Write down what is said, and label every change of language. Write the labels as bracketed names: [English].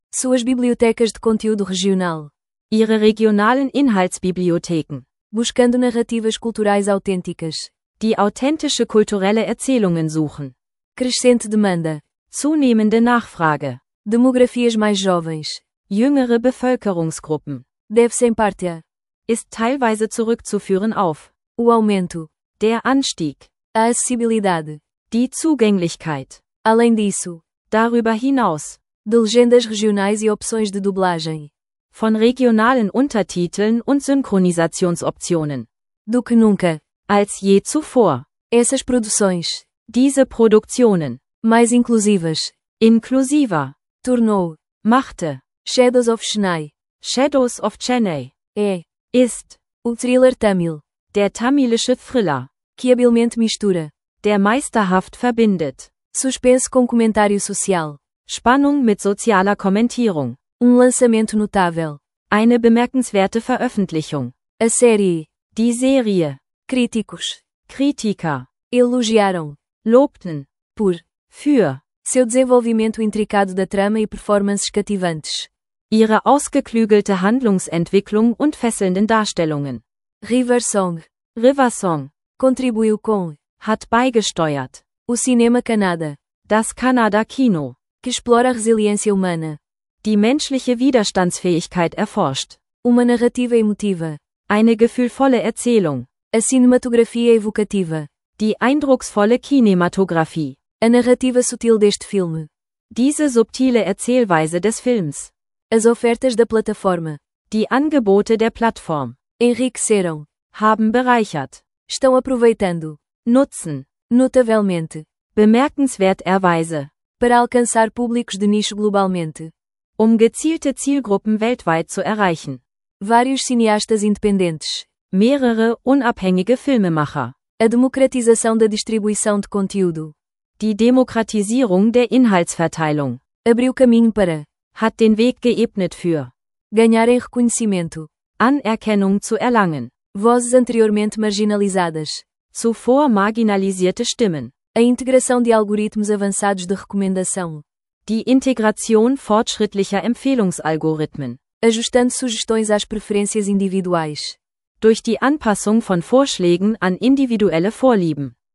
[Portuguese] Suas bibliotecas de conteúdo regional. [German] Ihre regionalen Inhaltsbibliotheken. [Portuguese] Buscando narrativas culturais autênticas. [German] Die authentische kulturelle Erzählungen suchen. [Portuguese] Crescente demanda. [German] Zunehmende Nachfrage. [Portuguese] Demografias mais jovens. [German] Jüngere Bevölkerungsgruppen. [Portuguese] Deve-se em parte a. [German] Ist teilweise zurückzuführen auf. [Portuguese] O aumento. [German] Der Anstieg. [Portuguese] A acessibilidade. [German] Die Zugänglichkeit. [Portuguese] Além disso. [German] Darüber hinaus. [Portuguese] De legendas regionais e opções de dublagem. [German] Von regionalen Untertiteln und Synchronisationsoptionen. [Portuguese] Do que nunca. [German] Als je zuvor. [Portuguese] Essas produções. [German] Diese Produktionen. [Portuguese] Mais inclusivas. [German] Inclusiva. [Portuguese] Tornou. [German] Machte. [Portuguese] Shadows of Chennai. [German] Shadows of Chennai. [Portuguese] É. [German] Ist. [Portuguese] O thriller tamil. [German] Der tamilische Thriller. [Portuguese] Que habilmente mistura. [German] Der meisterhaft verbindet. [Portuguese] Suspense com comentário social. [German] Spannung mit sozialer Kommentierung. [Portuguese] Um lançamento notável. [German] Eine bemerkenswerte Veröffentlichung. [Portuguese] A série. [German] Die Serie. [Portuguese] Críticos. [German] Kritiker. [Portuguese] Elogiaram. [German] Lobten. [Portuguese] Por. [German] Für. [Portuguese] Seu desenvolvimento intricado da trama e performances cativantes. [German] Ihre ausgeklügelte Handlungsentwicklung und fesselnden Darstellungen. [Portuguese] Riversong. [German] Riversong. [Portuguese] Contribuiu com. [German] Hat beigesteuert. [Portuguese] O cinema Kannada. [German] Das Kannada Kino. [Portuguese] Que explora a resiliência humana. [German] Die menschliche Widerstandsfähigkeit erforscht. [Portuguese] Uma narrativa emotiva. [German] Eine gefühlvolle Erzählung. [Portuguese] A cinematografia evocativa. [German] Die eindrucksvolle Kinematografie. [Portuguese] A narrativa sutil deste filme. [German] Diese subtile Erzählweise des Films. [Portuguese] As ofertas da plataforma. [German] Die Angebote der Plattform. [Portuguese] Enriqueceram. [German] Haben bereichert. [Portuguese] Estão aproveitando. [German] Nutzen. [Portuguese] Notavelmente. [German] Bemerkenswerterweise. [Portuguese] Para alcançar públicos de nicho globalmente. [German] Um gezielte Zielgruppen weltweit zu erreichen. [Portuguese] Vários cineastas independentes. [German] Mehrere unabhängige Filmemacher. [Portuguese] A democratização da distribuição de conteúdo. [German] Die Demokratisierung der Inhaltsverteilung. [Portuguese] Abriu caminho para. [German] Hat den Weg geebnet für. [Portuguese] Ganhar em reconhecimento. [German] Anerkennung zu erlangen. [Portuguese] Vozes anteriormente marginalizadas. [German] Zuvor marginalisierte Stimmen. [Portuguese] A integração de algoritmos avançados de recomendação. [German] Die Integration fortschrittlicher Empfehlungsalgorithmen. [Portuguese] Ajustando sugestões às preferências individuais. [German] Durch die Anpassung von Vorschlägen an individuelle Vorlieben.